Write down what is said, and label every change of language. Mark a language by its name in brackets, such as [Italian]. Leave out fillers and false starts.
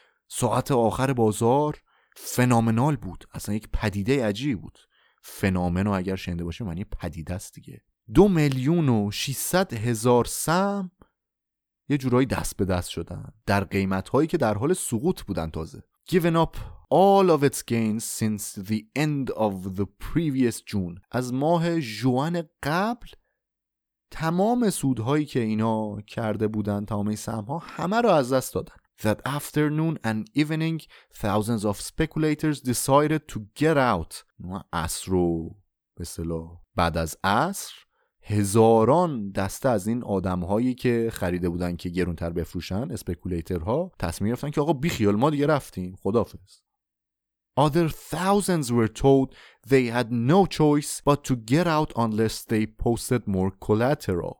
[Persian] ساعت آخر بازار فنومنال بود. اصلا یک پدیده عجیبی بود. فنومن رو اگر شنده باشه معنی پدیده است دیگه. 2,600,000 سهم یه جورایی دست به دست شدن در قیمت‌هایی که در حال سقوط بودن. [English] تازه given up all of its gains since the end of the previous June. [Persian] از ماه جوان قبل تمام سودهایی که اینا کرده بودن، تمام سهم‌ها، همه رو از دست دادن. [English] That afternoon and evening thousands of speculators decided to get out. [Persian] عصر و به اصطلاح بعد از عصر هزاران دسته از این آدم‌هایی که خریده بودن که گرون‌تر بفروشن، اسپکولیترها، تصمیم گرفتن که آقا بیخیال ما دیگه رفتیم، خدافظ. [English] Other thousands were told they had no choice but to get out unless they posted more collateral.